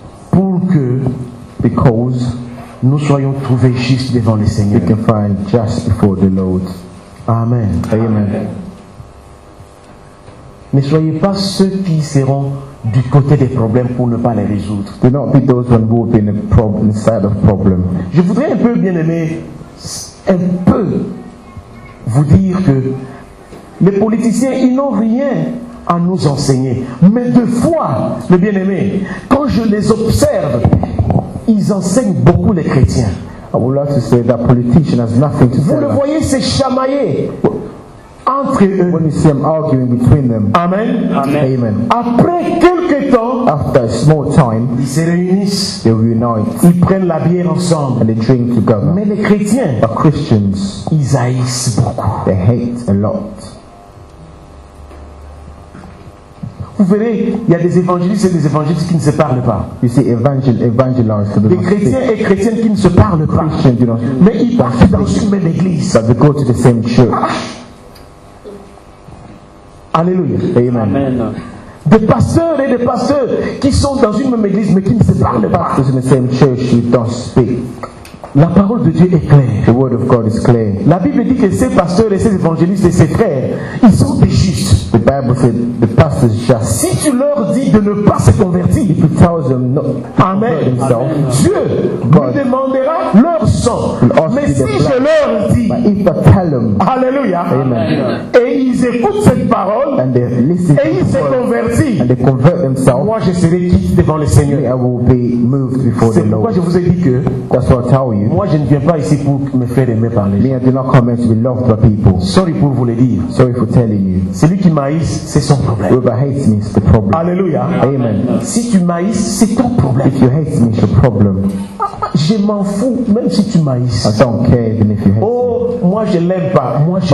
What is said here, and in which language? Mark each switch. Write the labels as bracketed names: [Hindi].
[French] Pour que, [English] because, [French] nous soyons trouvés justes devant le Seigneur. [English] We can find just before the Lord. Amen. Amen. Amen. [French] Ne soyez pas ceux qui seront du côté des problèmes pour ne pas les résoudre. [English] Do not be those who will be in the problem, side of problem. [French] Je voudrais un peu, bien aimé, un peu vous dire que les politiciens, ils n'ont rien à nous enseigner. Mais deux fois, mes bien-aimés, quand je les observe, ils enseignent beaucoup les chrétiens. [English] I would like to say that politician has nothing to say. [French] Vous le voyez, c'est chamaillé entre eux. [English] When you see them arguing between them. Amen. Amen. Amen. [French] Après quelques temps, [English] after a small time, [French] ils se réunissent. [English] They reunite. [French] Ils prennent la bière ensemble. [English] And they drink together. [French] Mais les chrétiens, [English] the Christians, [French] ils haïssent beaucoup. [English] They hate a lot. [French] Vous verrez, il y a des évangélistes et des évangélistes qui ne se parlent pas. [English] You see, evangelists, [French] des chrétiens et chrétiennes qui ne se parlent pas. [English] Christians, you know, [French] mais ils partent dans une même église. [English] But they go to the same church. [French] Alléluia. [English] Amen. Amen. [French] Des pasteurs et des pasteurs qui sont dans une même église mais qui ne se parlent pas. [English] Pastors in the same church, you don't speak. [French] La parole de Dieu est claire. [English] The word of God is clear. [French] La Bible dit que ces pasteurs et ces évangélistes et ces frères, ils sont des justes. [English] The Bible says the pastors just. [French] Si tu leur dis de ne pas se convertir, [English] if you tell them not to amen, convert himself, [French] amen. Dieu [English] God [French] me demandera leur sang. Mais si [English] blood, [French] je leur dis, [English] but if I tell them, [French] alléluia, [English] amen. [French] Et ils écoutent cette parole, [English] and they listen, [French] et ils se convertissent, [English] and they convert themselves, [French] moi je serai quitte devant le Seigneur. [English] I will be moved before [French] c'est [English] the Lord. [French] Pourquoi je vous ai dit que, [English] that's what I tell you. [French] Moi je ne viens pas ici pour me faire aimer par les gens. [English] I do not come here to be loved by people. [French] Sorry pour vous le dire. [English] Sorry for telling you. [French] Celui qui m'haïs, c'est son problème. [English] Whoever hates me is the problem. [French] Alléluia. [English] Amen. [French] Si tu m'haïs, c'est ton problème. [English] If you hate me, it's your problem. [French] Je m'en fous même si tu m'haïs. [English] I don't care even if you hate me. [French] Oh, moi je l'aime pas. Moi je